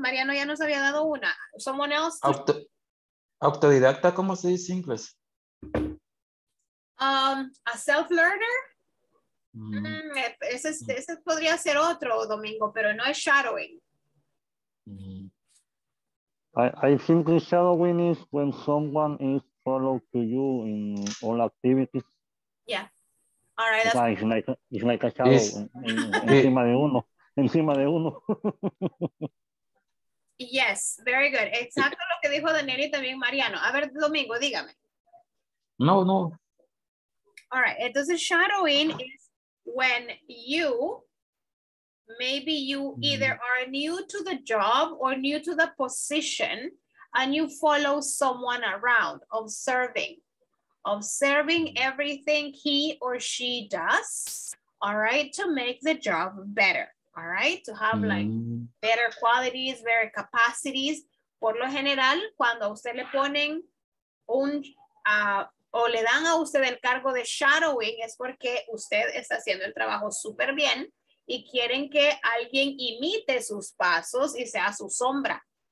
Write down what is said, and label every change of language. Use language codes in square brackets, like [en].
[es] Mariano ya nos había dado una. [en] Someone else. [es] Autodidacta, ¿cómo se dice en inglés? [en] A self-learner. [es] Ese podría ser otro domingo, pero no es shadowing. [en] I think the shadowing is when someone is followed to you in all activities. Yeah. All right. That's it's like a shadow. Yes. [es] Encima de uno. Encima de uno. [en] Yes, very good. [es] Exacto lo que dijo Daniel y también Mariano. A ver, Domingo, dígame. No, no. [en] All right. Entonces, shadowing is when you, maybe you either are new to the job or new to the position and you follow someone around, observing everything he or she does, all right, to make the job better. All right, to have like better qualities, better capacities. [es] Por lo general, cuando a usted le ponen un, o le dan a usted el cargo de shadowing, es porque usted está haciendo el trabajo súper bien y quieren que alguien imite sus pasos y sea su sombra.